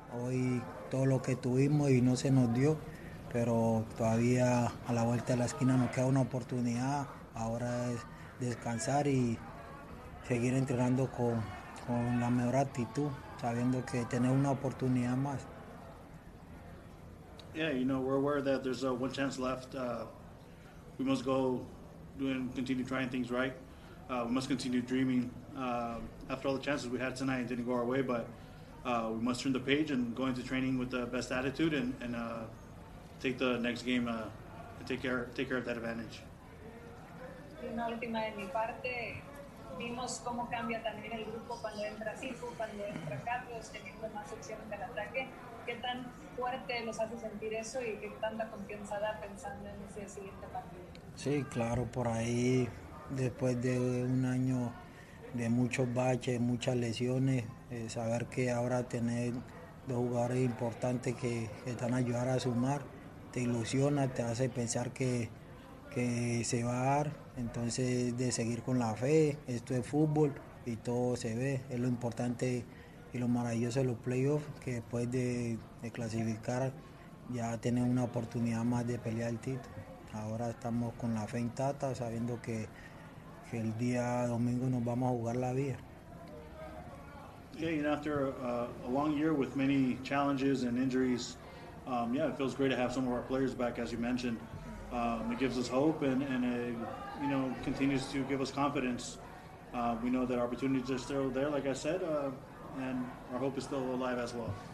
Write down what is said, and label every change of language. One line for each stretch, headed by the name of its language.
Spanish: Hoy todo lo que tuvimos y no se nos dio, pero todavía a la vuelta de la esquina nos queda una oportunidad. Ahora es descansar y seguir entrenando con la mejor actitud, sabiendo que tenemos una oportunidad más.
English: Yeah, you know, we're aware that there's one chance left. We must go doing, continue trying things right. We must continue dreaming. After all the chances we had tonight, it didn't go our way, but we must turn the page and go into training with the best attitude and take the next game and take care of that advantage.
Spanish: Una última de mi parte. Vimos cómo cambia también el grupo cuando entra Sifu, cuando entra Carlos, teniendo más opciones del ataque. ¿Qué tan fuerte los hace sentir eso y qué tanta confianza da pensando en ese siguiente partido? Sí, claro, por ahí, después de un año de muchos baches, muchas lesiones, saber que ahora tener dos jugadores importantes que están ayudando a sumar, te ilusiona, te hace pensar que se va a dar. Entonces, de seguir con la fe, esto es fútbol y todo se ve. Es lo importante y lo maravilloso de los playoffs, que después de clasificar ya tienen una oportunidad más de pelear el título. Ahora estamos con la fe intacta, sabiendo que el día domingo nos vamos a jugar la vida.
English: Yeah, you know, after a long year with many challenges and injuries, it feels great to have some of our players back, as you mentioned. It gives us hope and continues to give us confidence. We know that opportunities are still there, like I said, and our hope is still alive as well.